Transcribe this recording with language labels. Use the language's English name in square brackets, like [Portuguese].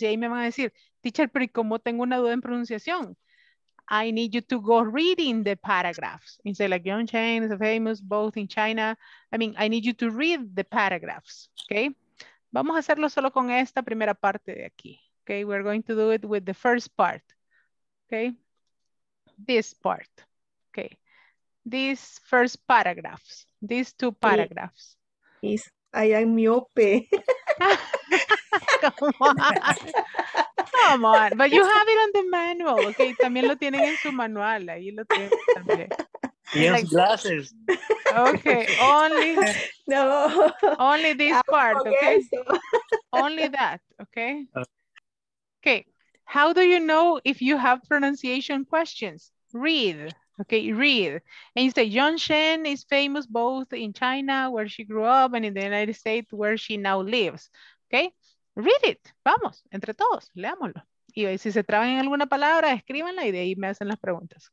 [Spanish] Y ahí me van a decir, teacher, pero ¿cómo tengo una duda en pronunciación? [English] I need you to go reading the paragraphs. Instead, like Yong Chen is famous both in China. I mean, I need you to read the paragraphs, okay? [Spanish] Vamos a hacerlo solo con esta primera parte de aquí, okay? [English] We're going to do it with the first part, okay? This part, okay? These first paragraphs, these two paragraphs. Is I am miope. Come on, but you have it on the manual, okay? [Spanish] También lo tienen en su manual, ahí lo tienen también. [English] Yes, like, glasses. Okay, only no, only this part, okay? So. Only that, okay? Okay, how do you know if you have pronunciation questions? Read, okay, read. And you say, Yong Shen is famous both in China, where she grew up, and in the United States, where she now lives, okay? Read it. [Spanish] Vamos, entre todos, leámoslo. Y si se traban en alguna palabra, escríbanla y de ahí me hacen las preguntas.